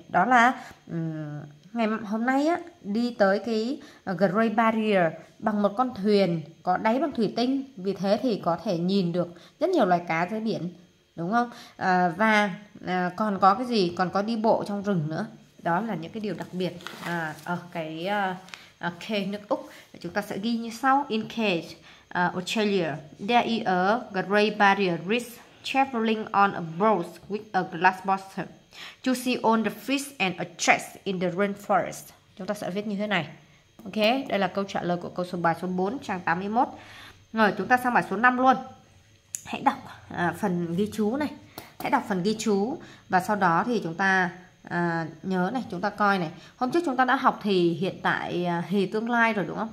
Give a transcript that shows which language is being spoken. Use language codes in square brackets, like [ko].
[vi] Đó là ngày hôm nay á, đi tới cái Great Barrier bằng một con thuyền có đáy bằng thủy tinh, vì thế thì có thể nhìn được rất nhiều loài cá dưới biển, đúng không? Và còn có cái gì? Còn có đi bộ trong rừng nữa. Đó là những cái điều đặc biệt ở cái Cape nước Úc. Chúng ta sẽ ghi như sau. [en] In Cape, Australia, there is a Great Barrier Reef traveling on a boat with a glass bottom to see all the fish and a trash in the rainforest. [vi] Chúng ta sẽ viết như thế này. Ok, đây là câu trả lời của câu số bài số 4, trang 81. Rồi chúng ta sang bài số 5 luôn. Hãy đọc phần ghi chú này. Hãy đọc phần ghi chú. Và sau đó thì chúng ta nhớ này, chúng ta coi này. Hôm trước chúng ta đã học thì hiện tại thì tương lai rồi đúng không?